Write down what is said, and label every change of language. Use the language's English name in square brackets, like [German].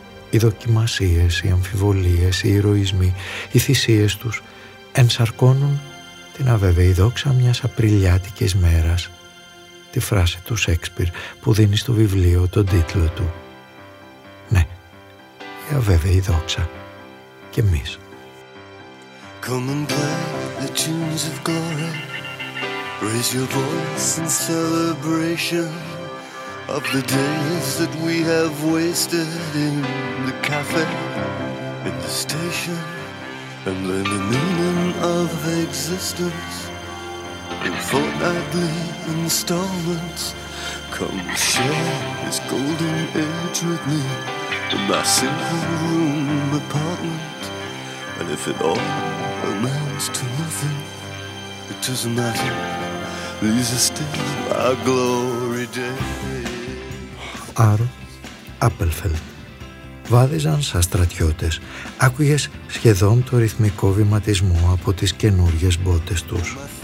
[Greek] Οι δοκιμασίες, οι αμφιβολίες, οι ηρωισμοί, οι θυσίες τους ενσαρκώνουν την αβέβαιη δόξα μιας απριλιάτικης μέρας, τη φράση του Σέξπιρ που δίνει στο βιβλίο τον τίτλο του. Ναι, η αβέβαιη δόξα και εμείς. [English] Come and play the tunes of glory. Raise your voice in celebration of the days that we have wasted in the cafe, in the station, and then the meaning of existence in fortnightly installments. Come share this golden age with me in my single room apartment. And if it all amounts to nothing, it doesn't matter, these are still my glory days. [Greek] Άρο, Άπελφελτ. Βάδιζαν σαν στρατιώτες. Άκουγες σχεδόν το ρυθμικό βηματισμό από τις καινούριες μπότες τους.